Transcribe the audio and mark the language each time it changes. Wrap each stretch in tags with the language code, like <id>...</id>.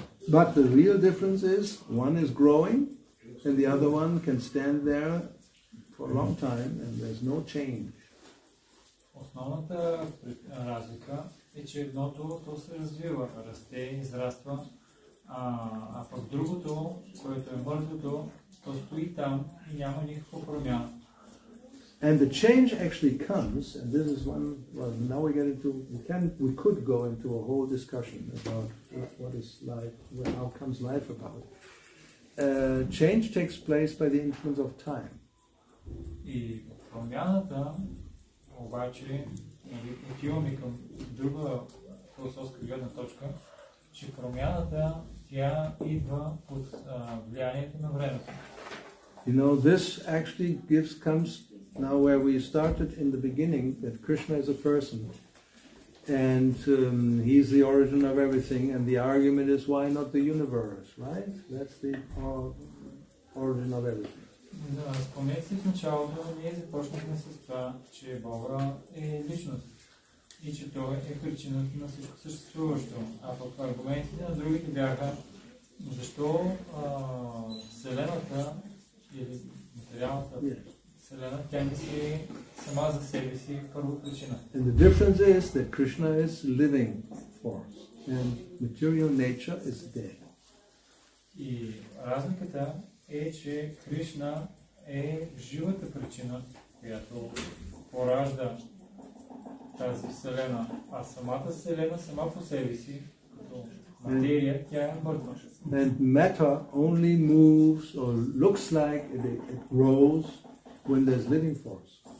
<en>But the real difference is one is growing and the other one can stand there for a long time and there's no change.</en> <bg>Основната разлика е, че едното то се развива, расте, израства, а пък другото, което е мъртвото, то стои там и няма никаква промяна.</bg> <en>And the change actually comes, and this is one, well, now we get into, we could go into a whole discussion about what is life, how comes life about. Change takes place by the influence of time.</en> <bg>И промяната, обаче, отиваме към друга философска гледна точка, че промяната, тя идва под влиянието на времето.</bg> <en>You know, this actually comes now where we started in the beginning, that Krishna is a person and he's the origin of everything, and the argument is why not the universe, right? That's the origin of everything.</en> <bg>Да, спомнете си в началото, ние започнахме с това, че Бога е личност и че Той е причината на всичко съществуващо. А пък аргументите на другите бяха, защо Вселената или материалната Вселена, тя не си сама за себе си първо причина.</bg> <en>And the difference is that Krishna is living force and material nature is dead.</en> <bg>И разликата е, че Кришна е живата причина, която поражда тази Вселена, а самата Вселена сама по себе си, като материя, тя е мъртва.</bg> <en>And matter only moves or looks like it grows when there's living force.</en>